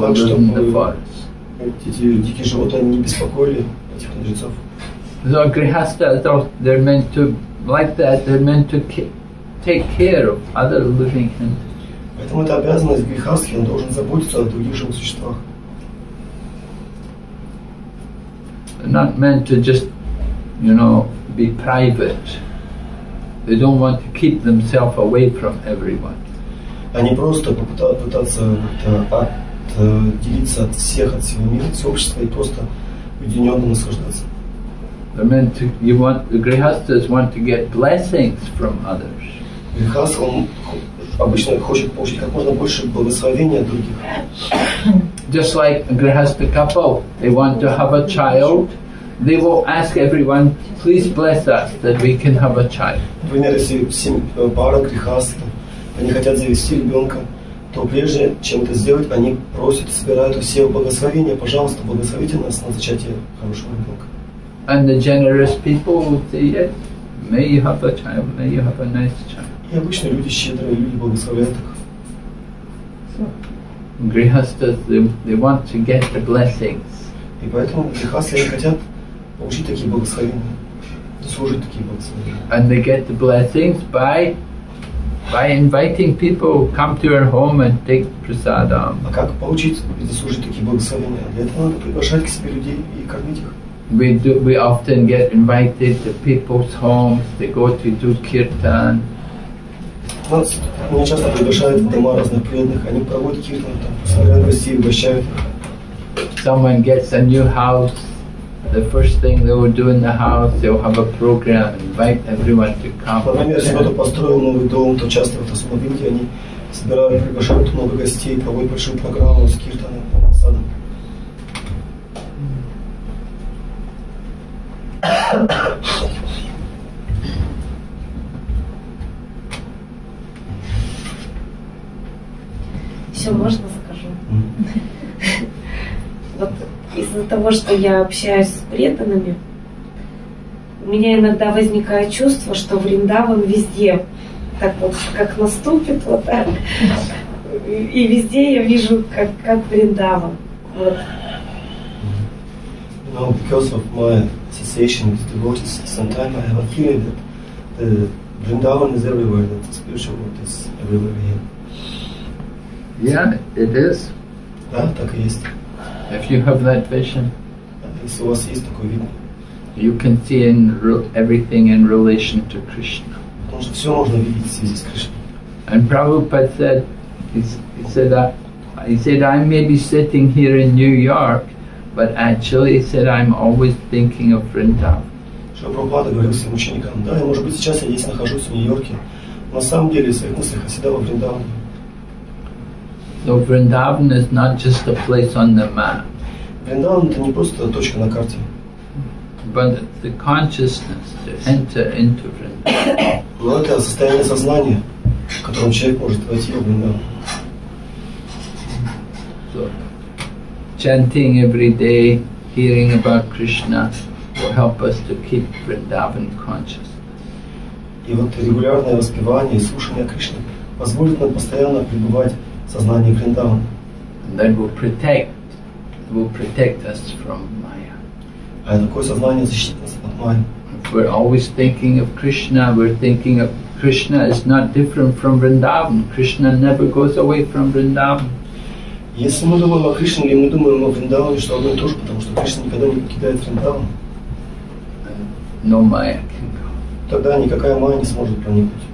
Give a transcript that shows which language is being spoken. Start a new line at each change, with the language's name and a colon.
Russian: так,
English: live in the forest.
Russian: Эти дикие животные не беспокоили этих мудрецов.
English: So grihastha, they're meant to, like that, they're meant to take care of other living entities.
Russian: Поэтому это обязанность грихасхи, он должен заботиться о других живых существах.
English: They're not meant to just, you know, be private. They don't want to keep themselves away from everyone.
Russian: Они просто пытаться отделиться от всех, от всего мира, от общества и просто уединенно наслаждаться.
English: They meant to, you want, the grihasthas want to get blessings from others.
Russian: Грихастха обычно хочет получить как можно больше благословения от других.
English: Just like a grihastha couple, they want to have a child, they will ask everyone, please bless us that we can have a child.
Russian: Например, если пара грихастха, они хотят завести ребенка, то прежде чем это сделать, они просят, собирают у всех благословения, пожалуйста, благословите нас на зачатие хорошего ребенка.
English: And the generous people would say, yes, may you have a child, may you have a nice child.
Russian: И обычно люди щедрые, люди благословляют их.
English: Grihasthas, they want to get the blessings.
Russian: И поэтому грихастхи хотят получить такие благословения, заслужить такие благословения.
English: And they get the blessings by inviting people come to your home and take prasadam.
Russian: А как получить и заслужить такие благословения? Для этого надо приглашать к себе людей и кормить их.
English: We often get invited to people's homes. They go to do kirtan.
Russian: Меня часто приглашают в дома разноплеменных. Они проводят киртан там, собирают гостей, угощают.
English: Someone gets a new house. The first thing they will do in the house, they will have a program, invite everyone to come.
Russian: Например, если кто-то построил новый дом, то часто в таком виде они собирают, приглашают много гостей, проводят большую программу с киртаном, садом. Все, можно скажу? Вот из-за того, что я общаюсь с преданными, у меня иногда возникает чувство, что Вриндаван везде. Так вот, как наступит, вот так. И везде я вижу, как Вриндаван. Но
English: because of my association with devotees, sometimes I have a feeling that the Vrindavan is everywhere, that the spiritual world is everywhere here. Yeah, it is.
Russian: Да, так и есть.
English: If you have that vision,
Russian: если у вас есть такое видение,
English: you can see in everything in relation to Krishna.
Russian: Потому что все можно видеть в связи с Кришной.
English: And Prabhupada said, he said, I may be sitting here in New York, but actually, he said, I'm always thinking of Vrindavan.
Russian: Что Прабхупада говорил своим ученикам, да, я, может быть, сейчас я здесь нахожусь в Нью-Йорке, но на самом деле в своих мыслях я всегда во Вриндаване.
English: So Vrindavan is not just a place on the map.
Russian: Vrindavan — это не просто точка на карте.
English: But the consciousness to enter into Vrindavan.
Russian: Но это состояние сознания, в котором человек может войти в Вриндаван.
English: So, chanting every day, hearing about Krishna will help us to keep Vrindavan conscious.
Russian: И вот регулярное воспевание и слушание Кришны позволит нам постоянно пребывать сознание Вриндавана.
English: And that will protect us from Maya.
Russian: А такое сознание защитит нас от Майи.
English: We're always thinking of Krishna. We're thinking of Krishna is not different from Vrindavan. Krishna never goes away from Vrindavan.
Russian: Если мы думаем о Кришне, или мы думаем о Вриндаване, что одно и то же, потому что Кришна никогда не покидает Вриндаван.
English: No Maya can go.
Russian: Тогда никакая Майя не сможет проникнуть.